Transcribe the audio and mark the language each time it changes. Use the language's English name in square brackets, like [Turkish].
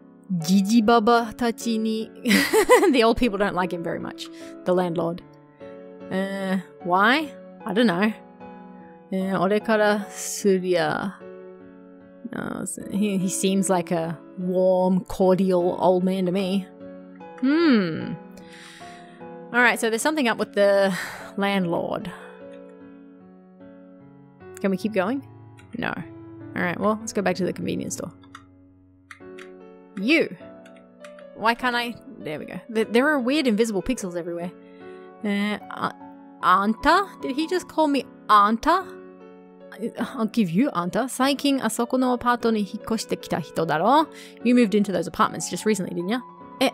[Japanese] そういや、あそこの大家ってやたらジジババたちに… [English] The old people don't like him very much, the landlord. Why? I don't know. [Japanese] 俺からすりゃ… [English] He seems like a warm, cordial old man to me. Alright, so there's something up with the landlord. Can we keep going? No. Alright, well, let's go back to the convenience store. You! Why can't I... There we go. There are weird invisible pixels everywhere. Anta? Did he just call me Anta? I'll give you Anta. [Japanese] 最近あそこのアパートに引っ越してきた人だろ? [English] You moved into those apartments just recently, didn't you?